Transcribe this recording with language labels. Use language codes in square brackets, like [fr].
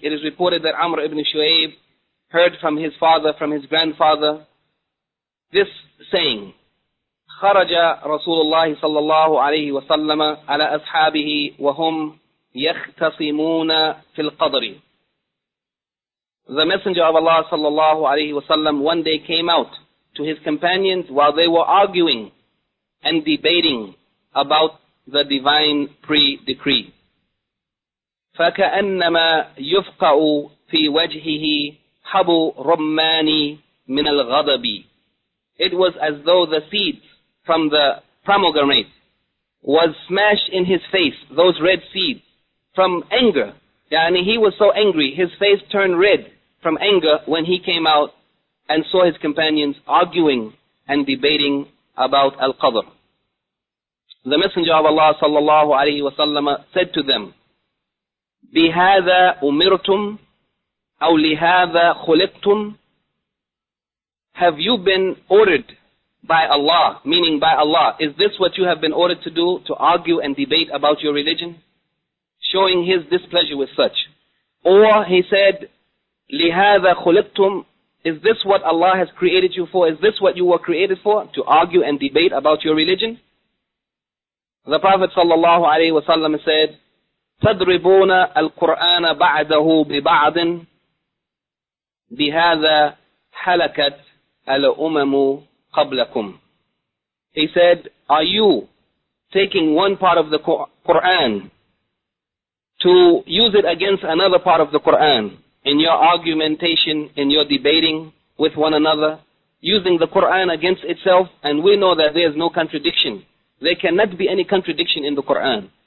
[en] It is reported that Amr ibn Shu'ayb heard from his father, from his grandfather, this saying, [ar] خرج رسول الله صلى الله عليه وسلم على أصحابه وهم يختصمون في القدر. [en] The Messenger of Allah [ar] صلى الله عليه وسلم [en] one day came out to his companions while they were arguing and debating about the divine pre-decree. [ar] فكأنما يفقع في وجهه حب رمان من الغضب. [en] It was as though the seeds from the pomegranate was smashed in his face, those red seeds, from anger. Yani he was so angry, his face turned red from anger when he came out and saw his companions arguing and debating about Al-Qadr. The Messenger of Allah sallallahu alayhi wa sallam said to them, [ar] بِهَذَا أُمِرْتُمْ أَوْ لِهَذَا خُلِقْتُمْ. [en] Have you been ordered by Allah, meaning by Allah, is this what you have been ordered to do, to argue and debate about your religion? Showing his displeasure with such. Or he said, [ar] لِهَذَا خُلِقْتُمْ. [en] Is this what Allah has created you for? Is this what you were created for? To argue and debate about your religion? The Prophet sallallahu alayhi wa sallam said, [ar] تَضْرِبُونَ الْقُرْآنَ بَعْدَهُ بِبَعْضٍ بِهَذَا حَلَكَتْ الْأُمَمُ قَبْلَكُمْ. [en] He said, are you taking one part of the Qur'an to use it against another part of the Qur'an in your argumentation, in your debating with one another, using the Qur'an against itself? And we know that there is no contradiction. There cannot be any contradiction in the Qur'an.